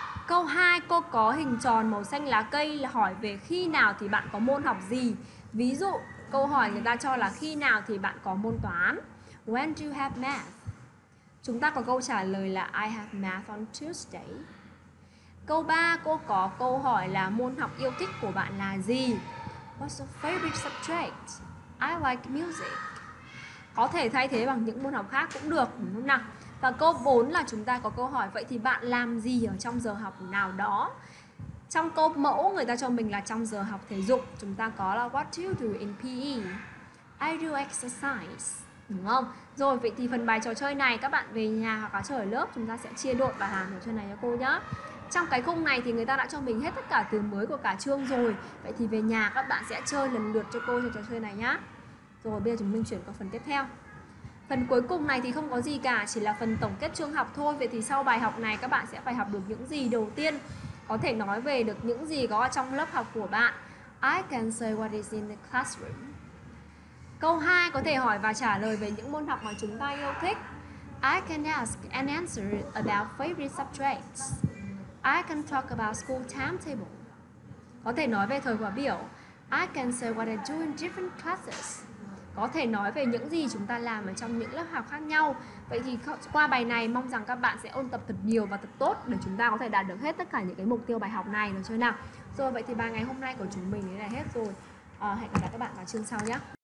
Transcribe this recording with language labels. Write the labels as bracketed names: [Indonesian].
[Vietnamese] Câu 2, cô có hình tròn màu xanh lá cây, là hỏi về khi nào thì bạn có môn học gì? Ví dụ, câu hỏi người ta cho là khi nào thì bạn có môn toán? [English] When do you have math? [Vietnamese] Chúng ta có câu trả lời là [English] I have math on Tuesday. [Vietnamese] Câu 3, cô có câu hỏi là môn học yêu thích của bạn là gì? [English] What's your favorite subject? I like music. [Vietnamese] Có thể thay thế bằng những môn học khác cũng được, đúng không nào? Và câu 4 là chúng ta có câu hỏi, vậy thì bạn làm gì ở trong giờ học nào đó? Trong câu mẫu người ta cho mình là trong giờ học thể dục, chúng ta có là [English] what do you do in PE? I do exercise, [Vietnamese] đúng không? Rồi, vậy thì phần bài trò chơi này các bạn về nhà hoặc là chơi ở lớp, chúng ta sẽ chia đội và làm trò chơi này cho cô nhé. Trong cái khung này thì người ta đã cho mình hết tất cả từ mới của cả chương rồi. Vậy thì về nhà các bạn sẽ chơi lần lượt cho cô cho trò chơi này nhá. Rồi, bây giờ chúng mình chuyển qua phần tiếp theo. Phần cuối cùng này thì không có gì cả, chỉ là phần tổng kết chương học thôi. Vậy thì sau bài học này các bạn sẽ phải học được những gì? Đầu tiên, có thể nói về được những gì có trong lớp học của bạn. [English] I can say what is in the classroom. [Vietnamese] Câu 2, có thể hỏi và trả lời về những môn học mà chúng ta yêu thích. [English] I can ask and answer about favorite subjects. I can talk about school timetable. [Vietnamese] Có thể nói về thời khóa biểu. [English] I can say what I do in different classes. [Vietnamese] Có thể nói về những gì chúng ta làm ở trong những lớp học khác nhau. Vậy thì qua bài này mong rằng các bạn sẽ ôn tập thật nhiều và thật tốt để chúng ta có thể đạt được hết tất cả những cái mục tiêu bài học này, được chưa nào? Rồi, vậy thì bài ngày hôm nay của chúng mình là hết rồi. Hẹn gặp lại các bạn vào chương sau nhé.